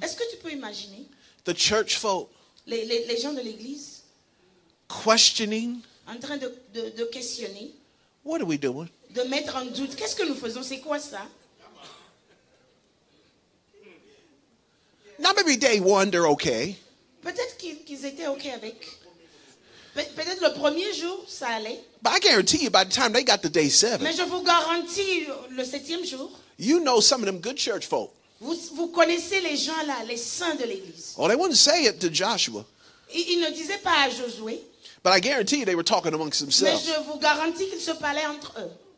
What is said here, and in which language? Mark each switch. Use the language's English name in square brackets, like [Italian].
[French] Est-ce que tu peux imaginer? [English] The church folk. [French] Les gens de l'église. [English] Questioning. [French] En train de questionner. [English] What are we doing? [French] De mettre en doute. Qu'est-ce que nous faisons? C'est quoi ça? [English] Now maybe day one they're okay. [French] Peut-être qu'ils étaient okay avec. Peut-être le premier jour ça allait. [English] But I guarantee you, by the time they got to day seven. [French] Mais je vous garantis le septième jour. [English] You know some of them good church folk. [French] Vous connaissez les gens là, les saints de l'église. [English] Oh, they wouldn't say it to Joshua. [French] Ils ne disaient pas à Josué. [English] But I guarantee you, they were talking amongst themselves. [French] Mais je vous garantis qu'ils se parlaient entre eux.